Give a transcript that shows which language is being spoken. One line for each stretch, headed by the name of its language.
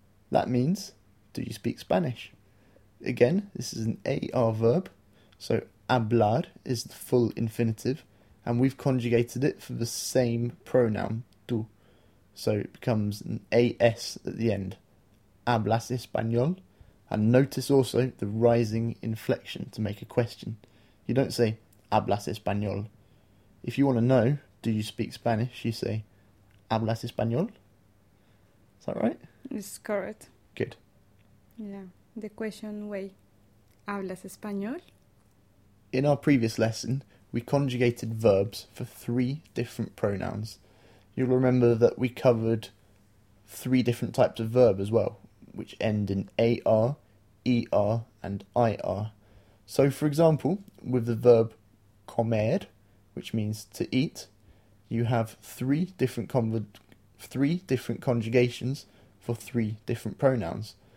English: That means, do you speak Spanish? Again, this is an AR verb, so hablar is the full infinitive, and we've conjugated it for the same pronoun, tú. So it becomes an AS at the end.
Spanish: ¿Hablas español?
English: And notice also the rising inflection to make a question. You don't say,
Spanish: ¿hablas español?
English: If you want to know, do you speak Spanish, you say,
Spanish: ¿hablas español?
English: Is that right? It's correct. Good. Yeah, the question way,
Spanish: ¿hablas español?
English: In our previous lesson, we conjugated verbs for 3 different pronouns. You'll remember that we covered 3 different types of verb as well, which end in AR, ER, and IR. So, for example, with the verb comer, which means to eat, you have 3 different conjugations for 3 different pronouns.